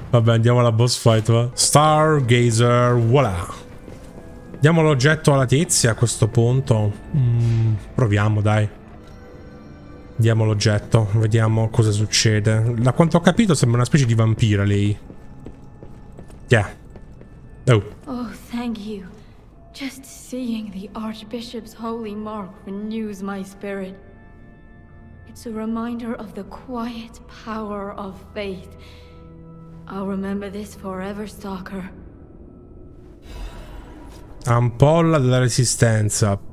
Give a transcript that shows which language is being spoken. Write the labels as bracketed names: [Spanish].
[Italian] Vabbè, andiamo alla boss fight, va? Stargazer, voilà. Diamo l'oggetto alla tizia a questo punto. Proviamo, dai. Diamo l'oggetto, vediamo cosa succede. Da quanto ho capito sembra una specie di vampira lei. [English] Yeah. Oh, thank you. Just seeing the Archbishop's holy mark renews my spirit. It's a reminder of the quiet power of faith. I'll remember this forever, Stalker. [Italian] Ampolla della resistenza.